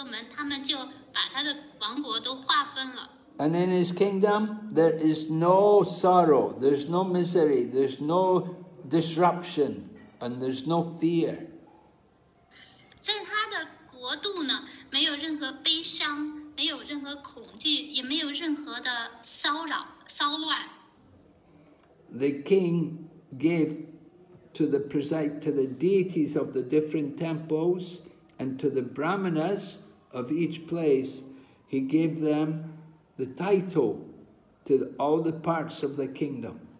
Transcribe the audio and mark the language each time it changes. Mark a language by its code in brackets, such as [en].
[zh] 他们就把他的王国都划分了。 [en] And in his kingdom, there is no sorrow, there's no misery, there's no disruption, and there's no fear. [zh] 在他的国度呢，没有任何悲伤，没有任何恐惧，也没有任何的骚扰骚乱。 [en] The king gave to the deities of the different temples And to the brahmanas of each place, he gave them the title to all the parts of the kingdom.